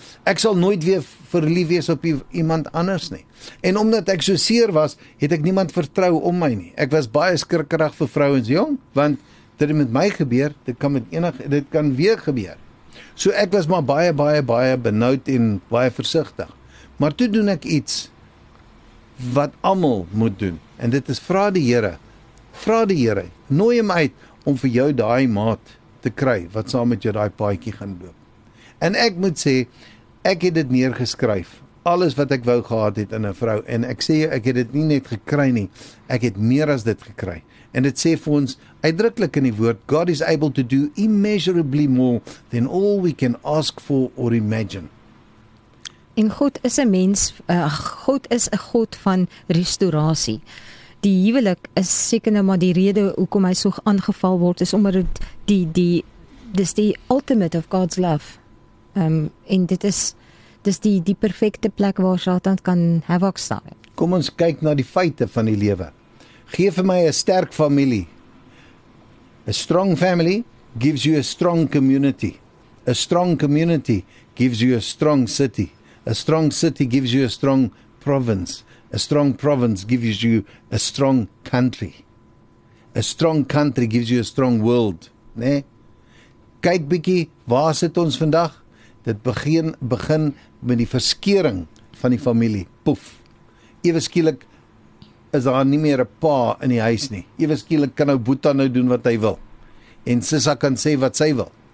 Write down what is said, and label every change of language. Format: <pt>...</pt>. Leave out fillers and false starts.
<af>Ek sal nooit weer verlief wees op iemand anders nie. En omdat ek so seer was, het ek niemand vertrou om my nie. Ek was baie skrikkerig vir vrouens jong, want dit het met my gebeur, dit kan weer gebeur. So ek was maar baie benoud en baie versigtig. Maar toe doen ek iets wat almal moet doen. En dit is vra die Here, nooi hom uit om vir jou daai maat te kry, wat saam met jou daai paadjie gaan loop. En ek moet sê, ek het dit neergeskryf alles wat ek wou gehad het in 'n vrou. En ek sê jou, ek het dit nie net gekry nie, ek het meer as dit gekry. En dit sê vir ons, uitdruklik in die woord,</af> <en>God is able to do immeasurably more than all we can ask for or imagine.</en> <af>En God is 'n mens, God is 'n God van restaurasie. Die huwelik is seker nou maar die rede hoekom hy so aangeval word, is omdat dis die</af> <en>ultimate of God's love.</en> <af>En dis die perfekte plek waar Satan kan havoc staan. Kom ons kyk na die feite van die lewe. Gee vir my 'n sterk familie.</af> <en>A strong family gives you a strong community. A strong community gives you a strong city. A strong city gives you a strong province. A strong province gives you a strong country. A strong country gives you a strong world.</en> <af>Nee? Kyk bietjie, waar sit ons vandag? Dit begin met die verskeuring van die familie. Poef. Ewe skielik is daar nie meer 'n pa in die huis nie. Ewe skielik kan nou Boeta nou doen wat hy wil. En Sissa kan sê wat sy wil.</af>